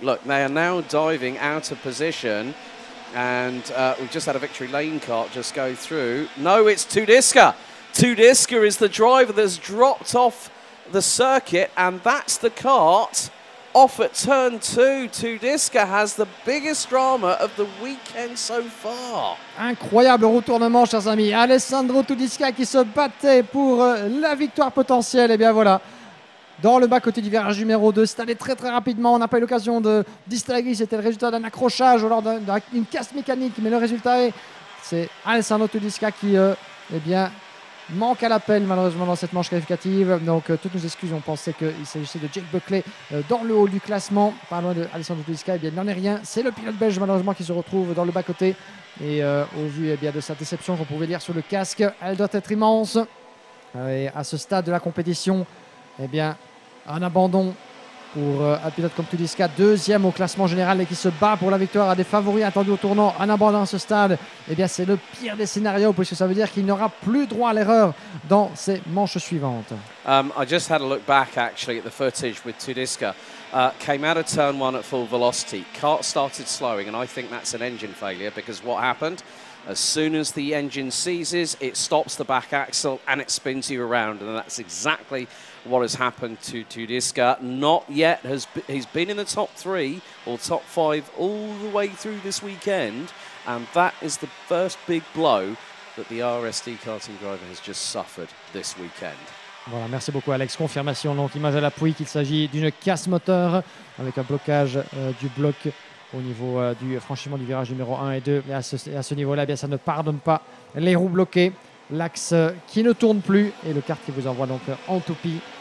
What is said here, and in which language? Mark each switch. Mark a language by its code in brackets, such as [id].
[en] Look, they are now diving out of position, and we've just had a victory lane cart just go through. No, it's Tudiska. Tudiska is the driver that's dropped off the circuit, and that's the cart. Off at turn 2, Tudiska has the biggest drama of the weekend so far. [fr] Incroyable retournement, chers amis. Alessandro Tudiska qui se battait pour la victoire potentielle. Et bien voilà, dans le bas côté du virage numéro 2, c'est allé très très rapidement. On n'a pas eu l'occasion de distinguer. C'était le résultat d'un accrochage ou lors d'une casse mécanique. Mais le résultat est, c'est Alessandro Tudiska qui, manque à l'appel malheureusement dans cette manche qualificative. Donc toutes nos excuses, on pensait qu'il s'agissait de Jake Buckley dans le haut du classement, pas loin de Alessandro Tudiska. Eh bien, n'en est rien, c'est le pilote belge malheureusement qui se retrouve dans le bas côté. Et au vu de sa déception qu'on pouvait lire sur le casque, elle doit être immense. Et à ce stade de la compétition, eh bien, un abandon pour un pilote comme Tudiska, deuxième au classement général et qui se bat pour la victoire à des favoris attendus au tournant, en abandonnant ce stade, eh bien c'est le pire des scénarios puisque ça veut dire qu'il n'aura plus droit à l'erreur dans ces manches suivantes. [en] I just had a look back actually at the footage with Tudiska. Came out of turn one at full velocity. Cart started slowing and I think that's an engine failure because what happened? As soon as the engine seizes, it stops the back axle and it spins you around. And that's exactly what has happened to Tudiska. Not yet. He's been in the top three or top five all the way through this weekend. And that is the first big blow that the RSD karting driver has just suffered this weekend. [fr] Voilà, merci beaucoup Alex. Confirmation donc, image à l'appui qu'il s'agit d'une casse moteur avec un blocage du bloc au niveau du franchissement du virage numéro 1 et 2. Et à ce niveau-là, eh bien, ça ne pardonne pas les roues bloquées. L'axe qui ne tourne plus et le kart qui vous envoie donc en toupie.